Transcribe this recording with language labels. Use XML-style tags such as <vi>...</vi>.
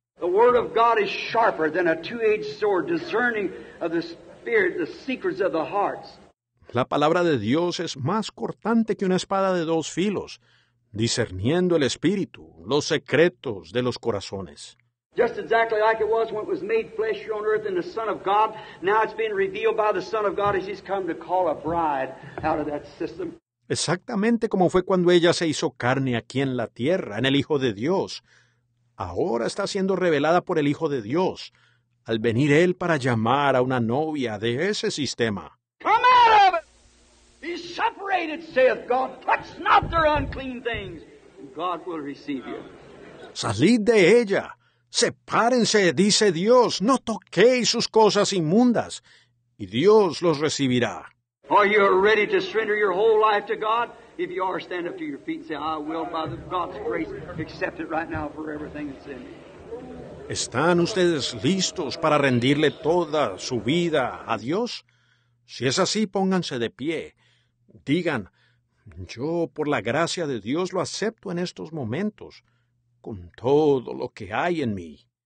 <en>The Word of God is sharper than a two-edged sword, discerning of the Spirit, the secrets of the hearts.</en> <es>La palabra de Dios es más cortante que una espada de dos filos, discerniendo el Espíritu, los secretos de los corazones.</es> <en>Just exactly like it was when it was made flesh here on earth in the Son of God. Now it's being revealed by the Son of God as he's come to call a bride out of that system.</en> <es>Exactamente como fue cuando ella se hizo carne aquí en la tierra, en el Hijo de Dios. Ahora está siendo revelada por el Hijo de Dios, al venir él para llamar a una novia de ese sistema.</es> <en>Come out of it! Be separated, saith God. Touch not their unclean things. God will receive you.</en> <es>Salid de ella. Sepárense, dice Dios. No toquéis sus cosas inmundas. Y Dios los recibirá.</es> <en>Are you ready to surrender your whole life to God? If you are, stand up to your feet and say, I will, by God's grace, accept it right now for everything that's in me.</en> <es>¿Están ustedes listos para rendirle toda su vida a Dios? Si es así, pónganse de pie. Digan, yo por la gracia de Dios lo acepto en estos momentos, con todo lo que hay en mí.</es>